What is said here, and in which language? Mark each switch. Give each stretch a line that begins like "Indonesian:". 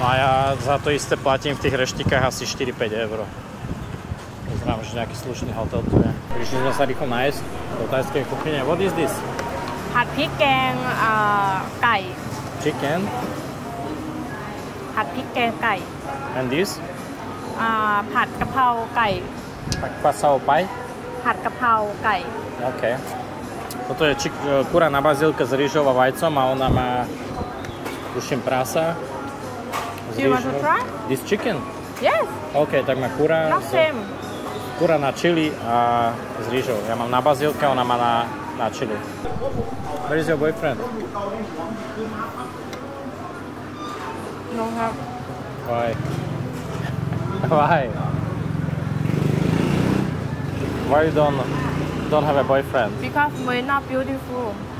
Slovak: No a ja za to isté platím v tých reštikách asi 4-5 eur. Pozrám, že nejaký slušný hotel tu je. Prišli sme sa rýchlo nájsť do tajskej kuchyne.
English: What is this? Hot chicken, kai. Chicken? Hot chicken, kai. And this?
Thai: Phat kapao kai. Phat kapao kai? Phat kapao kai.
Slovak: OK. Toto je kura na bazílke s rýžou a vajcom a ona má, tuším, prasa.
English: Do you want to try? This chicken? Yes.
Slovak: OK, tak má kura.
English: Not same.
Slovak: Kura na chili a s rýžou. Ja mám na bazílke, ona má na chili.
English: Where is your boyfriend? No, ha. Why? Why? Why you don't have a boyfriend? Because we're not beautiful.